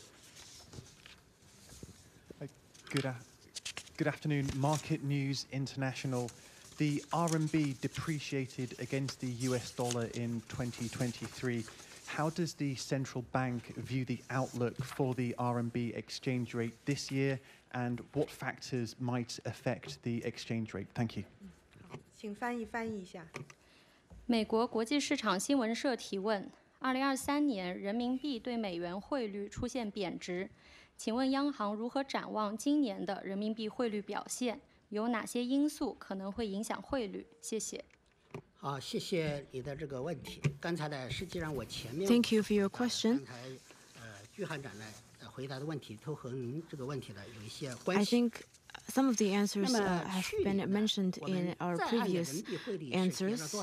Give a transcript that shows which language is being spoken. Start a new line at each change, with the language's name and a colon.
Chinese: 这边吧，第五排那位记者。
English: Good afternoon. Market News International. The RMB depreciated against the US dollar in 2023. How does the central bank view the outlook for the RMB exchange rate this year, and what factors might affect the exchange rate? Thank you.
Chinese: 请翻译一下。美国国际市场新闻社提问：2023年人民币对美元汇率出现贬值，请问央行如何展望今年的人民币汇率表现？有哪些因素可能会影响汇率？谢谢。好，谢谢你的这个问题。刚才呢，实际上我前面
English: Thank you for your question。
Chinese: 刚才，鞠汉展呢回答的问题都和您这个问题呢有一些关系。
English: I think. Some of the answers have been mentioned in our previous answers.